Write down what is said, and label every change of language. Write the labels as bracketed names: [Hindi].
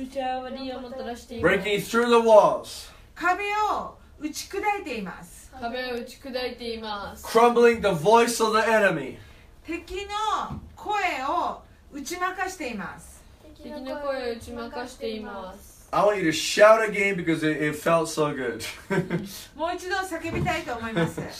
[Japanese] 打ち破りをもたらしています。 [English] Breaking through the walls. [Japanese] 壁を打ち砕いています。壁を打ち砕いています。 [English] Crumbling the voice of the enemy. [Japanese] 敵の声を打ち負かしています。敵の声を打ち負かしています。 [English] I want you to shout again because it felt so good. [Japanese] もう一度叫びたいと思います。